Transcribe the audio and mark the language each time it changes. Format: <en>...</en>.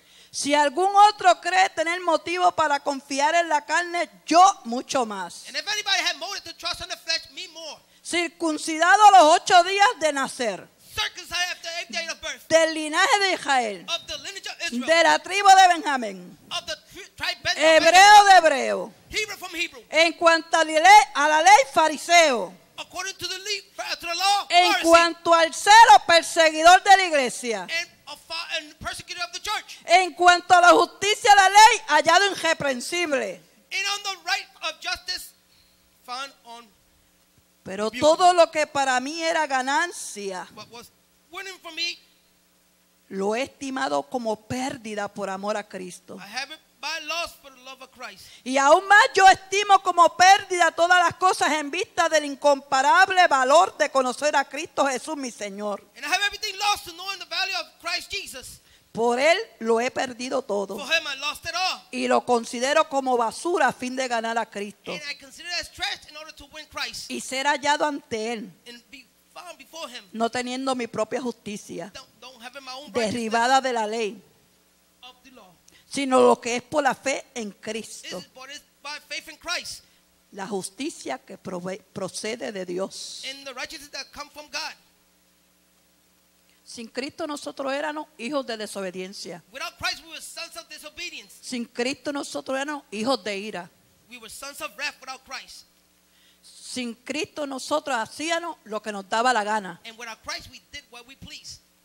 <es>si algún otro cree tener motivo para confiar en la carne, yo mucho más.</es> <en>And if anybody had motive to trust in the flesh, me more.</en> <es>Circuncidado a los ocho días de nacer.</es> <en>Circumcised after the eighth day of birth.</en> <es>Del linaje de Israel.</es> <en>Of the lineage of Israel.</en> <es>De la tribu de Benjamín.</es> <en>Of the tribe Benjamín.</en> <es>Hebreo de hebreo.</es> <en>Hebrew from Hebrew.</en> <es>En cuanto a la ley, fariseo.</es> <en>According to the law, Pharisee.</en> <es>En cuanto al celo, perseguidor de la iglesia.</es> <en>And persecutor of the church.</en> <es>En cuanto a la justicia de la ley, hallado irreprensible.</es> <en>And on the right of justice, found on.</en> <es>Pero todo lo que para mí era ganancia,</es> <en>what was winning for me,</en> <es>lo he estimado como pérdida por amor a Cristo.</es> <en>I have it by loss for the love of Christ.</en> <es>Y aún más yo estimo como pérdida todas las cosas en vista del incomparable valor de conocer a Cristo Jesús mi Señor.</es> <en>And I have everything lost to knowing the value of Christ Jesus.</en> <es>Por él lo he perdido todo.</es> <en>For him I lost it all.</en> <es>Y lo considero como basura a fin de ganar a Cristo.</es> <en>And I consider it as trash in order to win Christ.</en> <es>Y ser hallado ante él.</es> <en>And be found before him.</en> <es>No teniendo mi propia justicia.</es> <en>Don't have my own</en> <es>derribada de la ley. Sino lo que es por la fe en Cristo.</es> <en>Is it by faith in Christ?</en> <es>La justicia que procede de Dios.</es> <en>And the righteousness that come from God.</en> <es>Sin Cristo nosotros éramos hijos de desobediencia.</es> <en>Without Christ, we were sons of disobedience.</en> <es>Sin Cristo nosotros éramos hijos de ira.</es> <en>We were sons of wrath without Christ.</en> <es>Sin Cristo nosotros hacíamos lo que nos daba la gana.</es> <en>And without Christ, we did what we pleased.</en>